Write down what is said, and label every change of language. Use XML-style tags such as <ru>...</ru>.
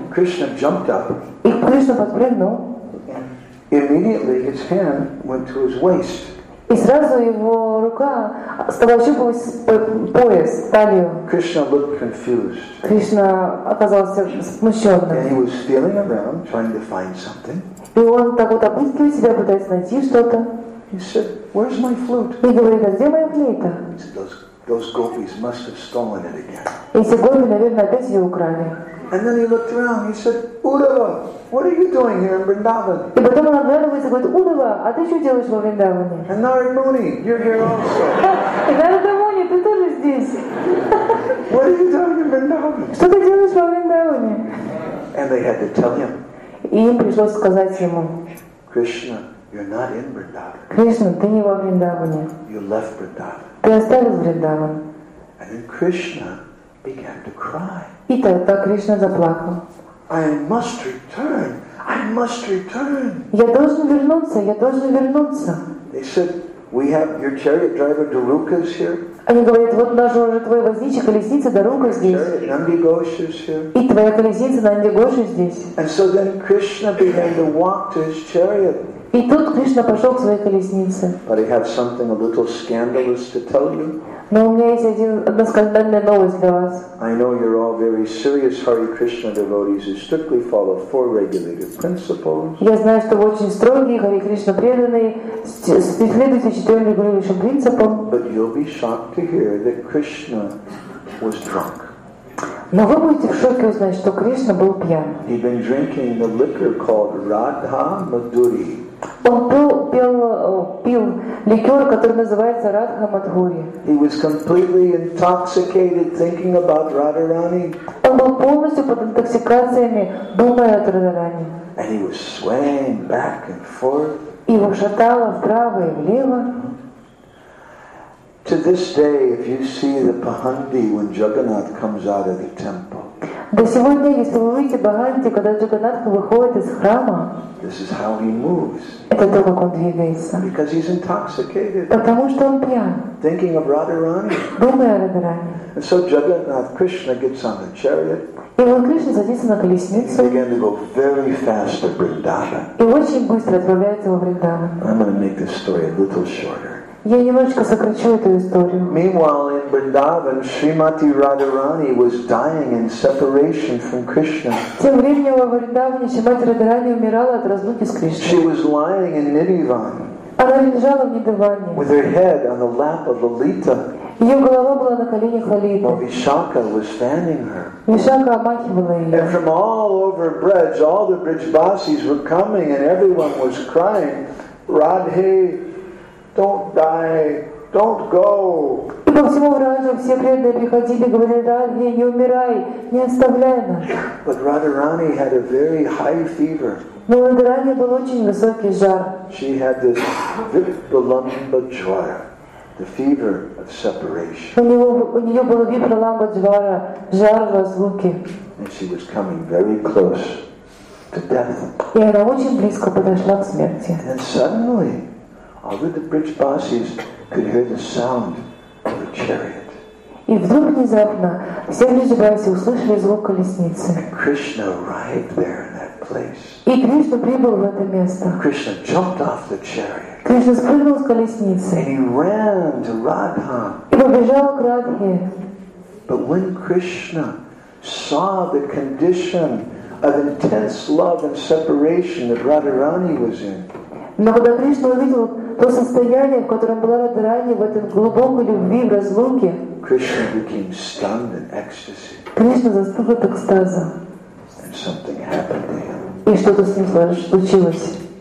<en>Krishna jumped up.</en> <ru>И Кришна подпрыгнул.</ru> <en>Immediately his hand went to his waist.</en> <ru>И сразу его рука стала ощупывать пояс, талию.</ru> <en>Krishna looked confused.</en> <ru>Кришна оказался смущенным.</ru> <en>And he was feeling around, trying to find something.</en> <ru>И он так вот обыскивает себя, пытаясь найти что-то.</ru> <en>He said, "Where's my flute?"</en> <ru>И говорит, а где моя флейта?</ru> <en>Those gopis must have stolen it again.</en> <ru>Эти гопи, наверное, опять ее украли.</ru> <en>And then he looked around. He said, "Uddhava, what are you doing here in Vrindavan?"</en> <ru>И потом он оглядывается и говорит, "Uddhava, а ты что делаешь во Вриндаване?"</ru> <en>And Narad Muni, you're here also.</en> <ru>И Нарада Муни, ты тоже здесь.</ru> <en>What are you doing in Vrindavan?</en> <ru>Что ты делаешь во Вриндаване?</ru> <en>And they had to tell him.</en> <ru>И им пришлось сказать ему.</ru> <en>Krishna, you're not in Vrindavan.</en> <ru>Кришна, ты не во Вриндаване.</ru> <en>You left Vrindavan.</en> <ru>Ты оставил Вриндаван.</ru> <en>And then Krishna began to cry.</en> <ru>И тогда Кришна заплакал.</ru> <en>I must return. I must return.</en> <ru>Я должен вернуться. Я должен вернуться.</ru> <en>They said, "We have your chariot driver Daruka is here."</en> <ru>Они говорят, вот наш уже твой возничий колесница Дарука здесь.</ru> <en>Nandi Ghosh is here.</en> <ru>И твоя колесница Нанди Гоша здесь.</ru> <en>And so then Krishna began to walk to his chariot.</en> <ru>И тут Кришна пошел к своей колеснице.</ru> <en>But I have something a little scandalous to tell you.</en> <ru>Но у меня есть одна скандальная новость для вас.</ru> <en>I know you're all very serious Hare Krishna devotees who strictly follow four regulative principles.</en> <ru>Я знаю, что вы очень строгие Hare Krishna преданные, следуете четырем регулирующим принципам.</ru> <en>But you'll be shocked to hear that Krishna was drunk.</en> <ru>Но вы будете в шоке узнать, что Кришна был пьян.</ru> <en>He'd been drinking the liquor called Radha Madhuri.</en> <ru>Он пил ликер, который называется Радха Мадхури.</ru> <en>He was completely intoxicated, thinking about Radharani.</en> <ru>Он был полностью под интоксикациями, думая о Радхарани.</ru> <en>And he was swaying back and forth.</en> <ru>Его шатало вправо и влево.</ru> <en>To this day, if you see the Pahandi when Jagannath comes out of the temple.</en> <ru>До сегодня, если вы увидите Баганти, когда Джаганатха выходит из храма,</ru> <en>this is how he moves.</en> <ru>Это то, как он двигается.</ru> <en>Because he's intoxicated.</en> <ru>Потому что он пьян.</ru> <en>Thinking of Radharani.</en> <ru>Думая о Радхаране.</ru> <en>And so Jagannath Krishna gets on the chariot.</en> <ru>И вот Кришна садится на колесницу.</ru> <en>He began to go very fast to Vrindavan.</en> <ru>И очень быстро отправляется во Вриндаван.</ru> <en>I'm going to make this story a little shorter.</en> <ru>Я немножечко сокращу эту историю.</ru> <en>Meanwhile, in Vrindavan, Srimati Radharani was dying in separation from Krishna.</en> <ru>Тем временем во Вриндаване Шримати Радхарани умирала от разлуки с Кришной.</ru> <en>She was lying in Nidivan.</en> <ru>Она лежала в Нидиване.</ru> <en>With her head on the lap of Lalita.</en> <ru>Ее голова была на коленях Лалиты.</ru> <en>While Vishakha was fanning her.</en> <ru>Вишака обмахивала ее.</ru> <en>And from all over Braj, all the Brijbasis were coming, and everyone was crying, "Radhe, don't die, don't go."</en> <ru>И по всему Враже все преданные приходили, говорили: "Радхе, не умирай, не оставляй нас."</ru> <en>But Radharani had a very high fever.</en> <ru>Но Радхарани был очень высокий жар.</ru> <en>She had this vipralamba jvara, the fever of separation.</en> <ru>У нее было vipralamba jvara, жар разлуки.</ru> <en>And she was coming very close to death.</en> <ru>И она очень близко подошла к смерти.</ru> <en>And suddenly, all the Brijbasis could hear the sound of the chariot.</en> <ru>И вдруг внезапно все Брижбаси услышали звук колесницы.</ru> <en>And Krishna arrived there in that place.</en> <ru>И Кришна прибыл в это место.</ru> <en>Krishna jumped off the chariot.</en> <ru>Кришна спрыгнул с колесницы.</ru> <en>And he ran to Radha.</en> <ru>И побежал к Радхе.</ru> <en>But when Krishna saw the condition of intense love and separation that Radharani was in.</en> <ru>Но когда Кришна увидел то состояние, в котором была Радхарани в этой глубокой любви, в разлуке, Кришна застыл от экстаза. И что-то с ним случилось.</ru>